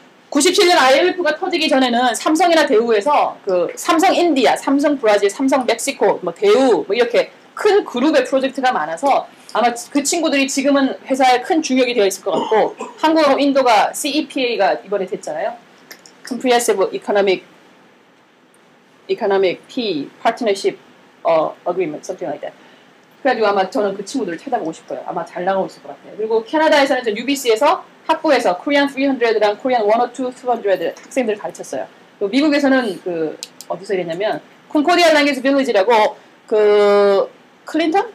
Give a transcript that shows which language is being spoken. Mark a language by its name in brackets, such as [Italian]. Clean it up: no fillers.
[Korean] 97년 IMF가 터지기 전에는 삼성이나 대우에서 그 삼성 인디아, 삼성 브라질, 삼성 멕시코, 뭐 대우 뭐 이렇게 큰 그룹의 프로젝트가 많아서 아마 그 친구들이 지금은 회사에 큰 주역이 되어 있을 것 같고 한국하고 인도가 CEPA가 이번에 됐잖아요. [English] Comprehensive Economic Peace Partnership Agreement, something like that. [Korean] 그래가지고 아마 저는 그 친구들을 찾아보고 싶어요. 아마 잘 나가고 있을 것 같아요. 그리고 캐나다에서는 UBC에서 학부에서 Korean 300랑 Korean 102, 200 학생들을 가르쳤어요. 또 미국에서는 그 어디서 일했냐면 Concordia Language Village라고 그 클린턴?